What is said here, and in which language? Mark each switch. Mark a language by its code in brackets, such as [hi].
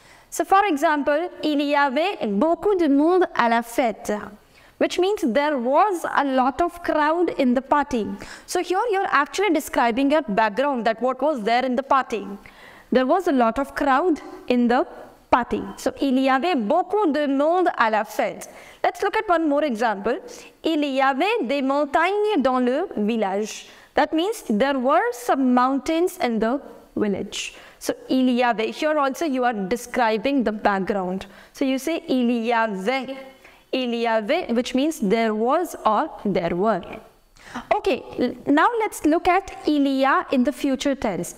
[en] So, for example, [fr] il y avait beaucoup de monde à la fête, [en] which means there was a lot of crowd in the party. So, here you're actually describing your background, that what was there in the party. There was a lot of crowd in the party. [fr] So, il y avait beaucoup de monde à la fête. [en] Let's look at one more example. [fr] Il y avait des montagnes dans le village. [en] That means there were some mountains in the village. So, il y avait. Here also you are describing the background. So, you say il y avait. Il y avait, which means there was or there were. Okay, now let's look at il y a in the future tense.